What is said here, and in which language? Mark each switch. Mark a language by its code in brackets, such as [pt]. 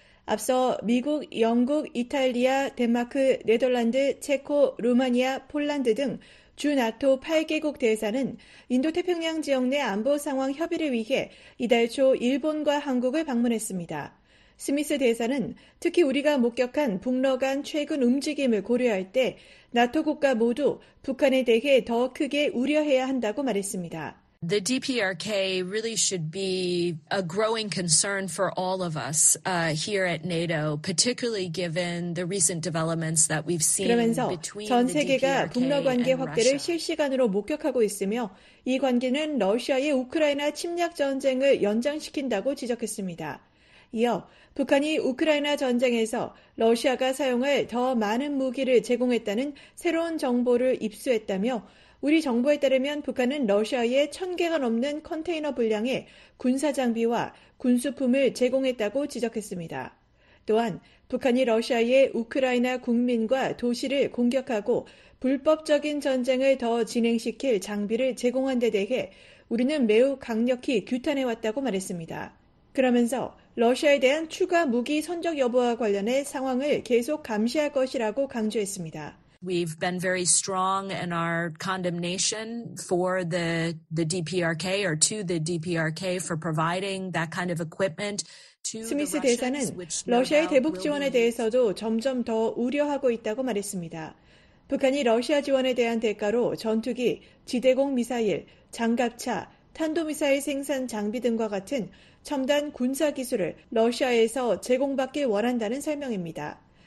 [ko] 앞서 미국, 영국, 이탈리아, 덴마크, 네덜란드, 체코, 루마니아, 폴란드 등 주 나토 8개국 대사는 인도태평양 지역 내 안보 상황 협의를 위해 이달 초 일본과 한국을 방문했습니다. 스미스 대사는 특히 우리가 목격한 북러 간 최근 움직임을 고려할 때 나토 국가 모두 북한에 대해 더 크게 우려해야 한다고 말했습니다. [en] The DPRK really should be a growing concern for all of us here at NATO, particularly given the recent developments that we've seen between the DPRK and Russia. [ko] 그러면서 전 세계가 북러 관계 확대를 실시간으로 목격하고 있으며 이 관계는 러시아의 우크라이나 침략 전쟁을 연장시킨다고 지적했습니다. 이어 북한이 우크라이나 전쟁에서 러시아가 사용할 더 많은 무기를 제공했다는 새로운 정보를 입수했다며 우리 정부에 따르면 북한은 러시아에 1,000개가 넘는 컨테이너 분량의 군사 장비와 군수품을 제공했다고 지적했습니다. 또한 북한이 러시아의 우크라이나 국민과 도시를 공격하고 불법적인 전쟁을 더 진행시킬 장비를 제공한 데 대해 우리는 매우 강력히 규탄해왔다고 말했습니다. 그러면서 러시아에 대한 추가 무기 선적 여부와 관련해 상황을 계속 감시할 것이라고 강조했습니다. [en] We've been very strong in our condemnation for the DPRK or to the DPRK for providing that kind of equipment to [ko] 스미스 대사는 러시아의 대북 지원에 대해서도 점점 더 우려하고 있다고 말했습니다. 북한이 러시아 지원에 대한 대가로 전투기, 지대공 미사일, 장갑차, 탄도미사일 생산 장비 등과 같은 첨단 군사 기술을 러시아에서 제공받길 원한다는 설명입니다.